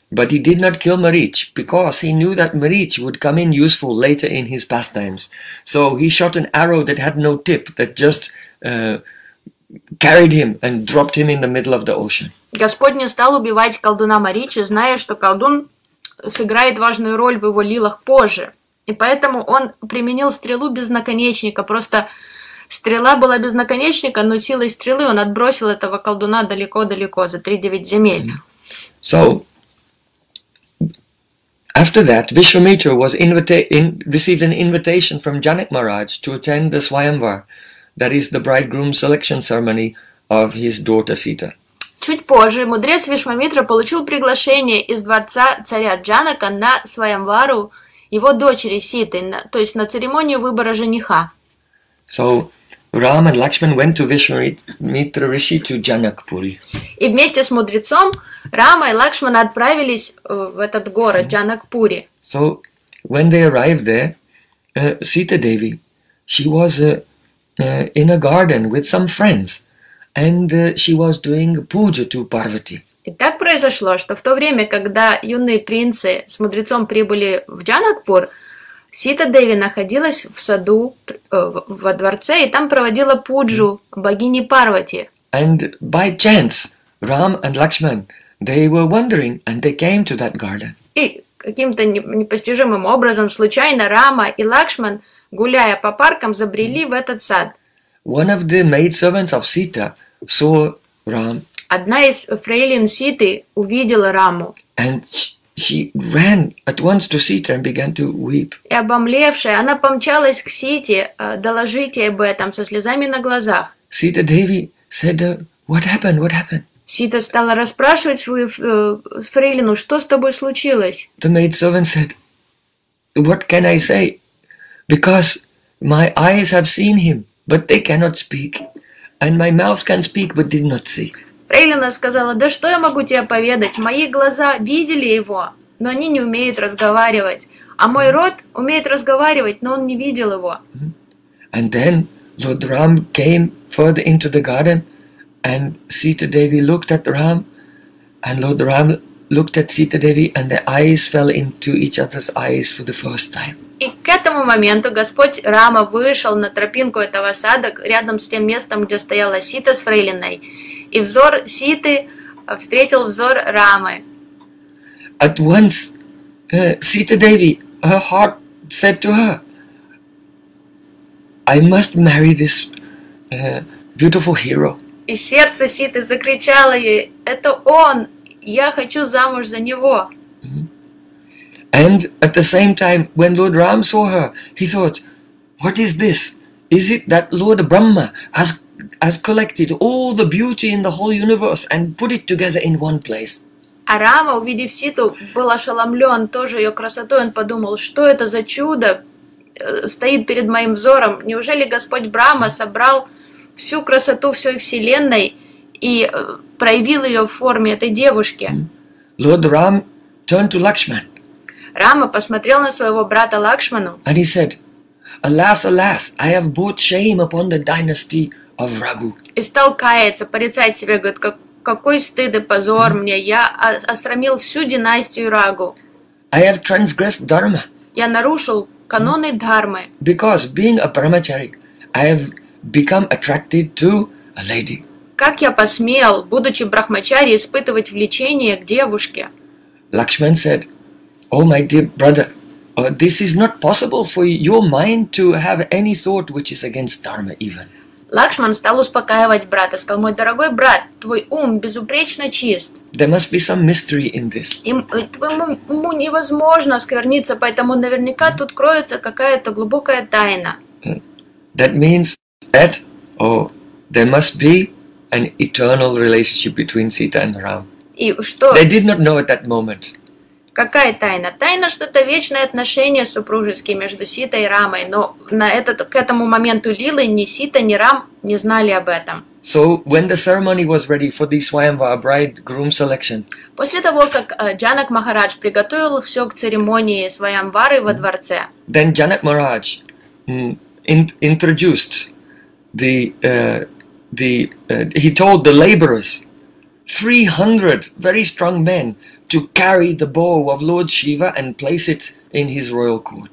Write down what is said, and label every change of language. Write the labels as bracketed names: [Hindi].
[English] But he did not kill Marich, because he knew that Marich would come in useful later in his pastimes. So he shot an arrow that had no tip, that just carried him and dropped him in the middle of the ocean. [Russian] Господь не стал убивать колдуна Марича, зная, что колдун сыграет важную роль в его лилах позже. И поэтому он применил стрелу без наконечника, просто... Стрела была без наконечника, но силой стрелы он отбросил этого колдуна далеко-далеко, за 3-9 земель. [English] So, after that, Vishwamitra was received an invitation from Janak Maharaj to attend the Swayamvar, that is the bridegroom selection ceremony of his daughter Sita. [Russian] Чуть позже мудрец Вишвамитра получил приглашение из дворца царя Джанака на Свайамвару его дочери Ситы, то есть на церемонию выбора жениха. [English] So, Ram and Lakshman went to Vishwamitra Rishi to Janakpuri. [Russian] И вместе с мудрецом Рама и Лакшмана отправились в этот город Джанакпури. [English] So, when they arrived there, Sita Devi, she was in a garden with some friends, and she was doing puja to Parvati. [Russian] И так произошло, что в то время, когда юные принцы с мудрецом прибыли в Джанакпур, Сита Деви находилась в саду, во дворце, и там проводила пуджу богини Парвати. [English] And by chance, Ram and Lakshman, they were wandering, and they came to that garden. [Russian] И каким-то непостижимым образом, случайно, Рама и Лакшман, гуляя по паркам, забрели в этот сад. [English] One of the maidservants of Sita saw Ram. [Russian] Одна из фрейлин Ситы увидела Раму. [English] And she ran at once to Sita and began to weep. [Russian] И обомлевшая, она помчалась к Сите, доложить ей об этом со слезами на глазах. [English] Sita Devi said, "What happened? What happened?" [Russian] Сита стала расспрашивать свою фрейлину, что с тобой случилось. [English] The maidservant said, "What can I say? Because my eyes have seen him, but they cannot speak, and my mouth can speak, but did not see." [Russian] Фрейлина сказала, да что я могу тебе поведать? Мои глаза видели его, но они не умеют разговаривать. А мой рот умеет разговаривать, но он не видел его. [English] And then Lord Ram came further into the garden, and Sita Devi looked at Ram, and Lord Ram looked at Sita Devi and their eyes fell into each other's eyes for the first time. [Russian] И к этому моменту Господь Рама вышел на тропинку этого сада рядом с тем местом, где стояла Сита с Фрейлиной, и взор Ситы встретил взор Рамы. [English] At once, Sita Devi, her heart said to her, "I must marry this beautiful hero." [Russian] И сердце Ситы закричало ей: "Это он! Я хочу замуж за него!" [English] And at the same time, when Lord Ram saw her, he thought, "What is this? Is it that Lord Brahma has collected all the beauty in the whole universe and put it together in one place?" [Russian] А Рама, увидев Ситу, был ошеломлен тоже ее красотой. Он подумал, что это за чудо стоит перед моим взором? Неужели Господь Брама собрал всю красоту всей вселенной и проявил ее в форме этой девушки? [English] Lord Ram turned to Lakshman. [Russian] Рама посмотрел на своего брата Лакшману. [English] And he said, "Alas, alas, I have brought shame upon the dynasty of Raghu." [Russian] И стал каяться, порицать себя, говорит, какой стыд и позор мне, я осрамил всю династию Рагу. [English] I have transgressed dharma. [Russian] Я нарушил каноны дхармы. [English] Because being a brahmachari, I have become attracted to a lady. [Russian] Как я посмел, будучи брахмачари, испытывать влечение к девушке? [English] Лакшман said, "Oh, my dear brother, this is not possible for your mind to have any thought which is against dharma even." [Russian] Лакшман стал успокаивать брата, сказал: "Мой дорогой брат, твой ум безупречно чист. [English] There must be some mystery in this." [Russian] И твоему уму невозможно оскверниться, поэтому наверняка тут кроется какая-то глубокая тайна. [English] That means that, there must be an eternal relationship between Sita and Ram. [Russian] И что? [English] They did not know at that moment. [Russian] Какая тайна? Тайна, что это вечное отношение супружеские между Ситой и Рамой, но к этому моменту Лилы ни Сита, ни Рам не знали об этом. [English] So when the ceremony was ready for the Swayamvara bride-groom selection. [Russian] После того, как Джанак Махарадж приготовил все к церемонии Свайамвары во дворце. [English] Then Janak Maharaj introduced he told the laborers, 300 very strong men, to carry the bow of Lord Shiva and place it in his royal court.